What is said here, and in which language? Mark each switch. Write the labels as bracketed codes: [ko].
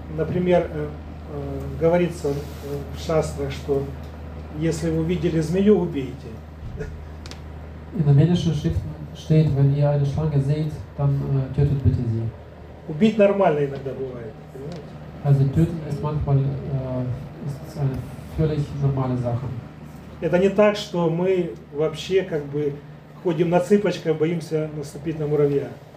[ru] Например, говорится в шастрах, что если вы видели змею, убейте. [de] In der medischen Schrift steht, wenn ihr eine Schlange seht, dann tötet bitte sie. [ru] Убить нормально иногда бывает. [de] Also töten ist manchmal ist eine völlig normale Sache. [ru] Это не так, что мы вообще как бы ходим на цыпочках, боимся наступить на муравья.